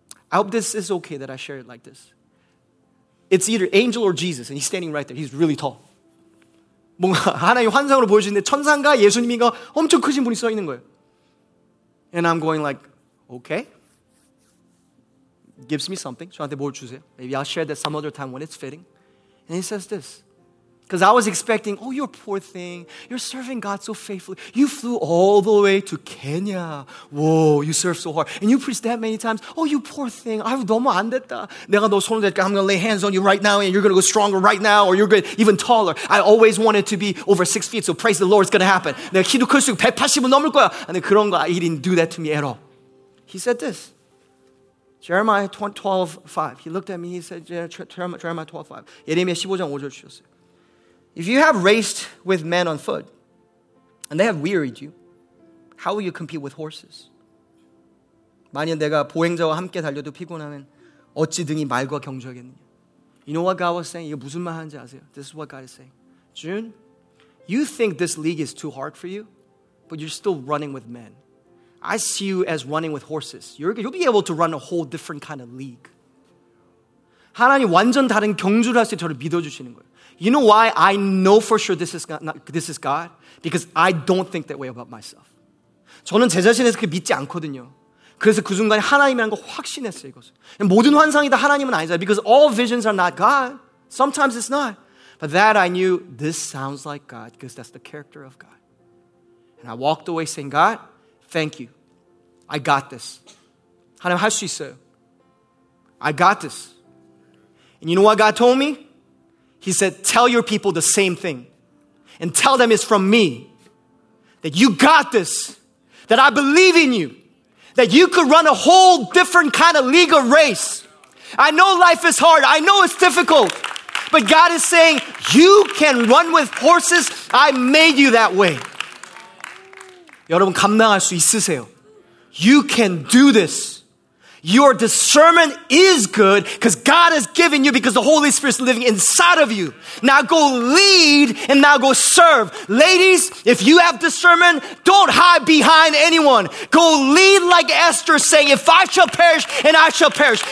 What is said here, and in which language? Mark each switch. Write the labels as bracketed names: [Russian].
[English] I hope this is okay that I share it like this. It's either angel or Jesus, and he's standing right there. He's really tall. [Korean] 뭔가 하나의 환상으로 보여주는데 천상과 예수님인가 엄청 크신 분이 써있는 거예요. [English] And I'm going like, okay. Gives me something. [Korean] 저한테 뭘 주세요. [English] Maybe I'll share that some other time when it's fitting. And he says this. Because I was expecting, oh, you're a poor thing. You're serving God so faithfully. You flew all the way to Kenya. Whoa, you served so hard. And you preached that many times. Oh, you poor thing. I've [Korean] 너무 안 됐다. 내가 너 손을 댈까? [English] I'm going to lay hands on you right now, and you're going to go stronger right now, or you're going to even taller. I always wanted to be over 6 feet, so praise the Lord, it's going to happen. [Korean] 내가 키도 클수록 180은 넘을 거야. 근데 그런 거, [English] he didn't do that to me at all. He said this. Jeremiah 12:5. He looked at me, he said, Jeremiah 12:5. [Korean] 예레미야 15장 5절 주셨어요. [English] If you have raced with men on foot, and they have wearied you, how will you compete with horses? [Korean] 만약 내가 보행자와 함께 달려도 피곤하면 어찌 능히 말과 경주하겠느냐? [English] You know what God was saying? [Korean] 이거 무슨 말하는지 아세요? [English] This is what God is saying. June, you think this league is too hard for you, but you're still running with men. I see you as running with horses. You'll be able to run a whole different kind of league. [Korean] 하나님 완전 다른 경주를 할 수 있도록 믿어주시는 거예요. [English] You know why I know for sure this is God? Because I don't think that way about myself. [Korean] 저는 제 자신에서 그렇게 믿지 않거든요. 그래서 그 순간에 하나님이라는 거 확신했어요, 이것을. 모든 환상이 다 하나님은 아니잖아요. [English] Because all visions are not God. Sometimes it's not. But that I knew, this sounds like God because that's the character of God. And I walked away saying, God, thank you. I got this. [Korean] 하나님 할 수 있어요. [English] I got this. And you know what God told me? He said, tell your people the same thing and tell them it's from me that you got this, that I believe in you, that you could run a whole different kind of league or race. I know life is hard. I know it's difficult. But God is saying, you can run with horses. I made you that way. [Korean] 여러분, 감당할 수 있으세요? [English] You can do this. Your discernment is good because God has given you because the Holy Spirit is living inside of you. Now go lead and now go serve. Ladies, if you have discernment, don't hide behind anyone. Go lead like Esther saying, if I shall perish and I shall perish.